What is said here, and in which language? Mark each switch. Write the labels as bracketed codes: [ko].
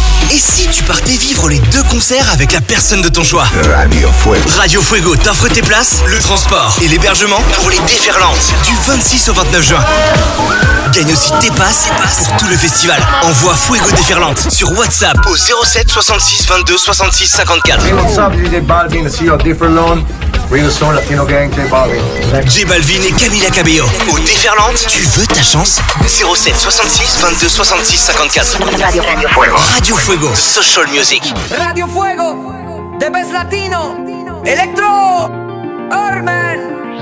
[fr] Et si tu partais vivre les deux concerts avec la personne de ton choix? Radio Fuego. Radio Fuego t'offre tes places, le transport et l'hébergement pour les Déferlantes du 26 au 29 juin. Gagne aussi tes passes pour tout le festival. Envoie Fuego Déferlante sur WhatsApp au 07 66 22 66 54. [en] Hey, what's up, J Balvin, see you at Déferlante. Bring the song, Latino gang, J Balvin. [fr] J Balvin et Camila Cabello au Déferlante. Tu veux ta chance? 07 66 22 66 54. Radio Fuego. [en] Fuego. Social Music. Radio Fuego, The Best Latino, Electro, Urban.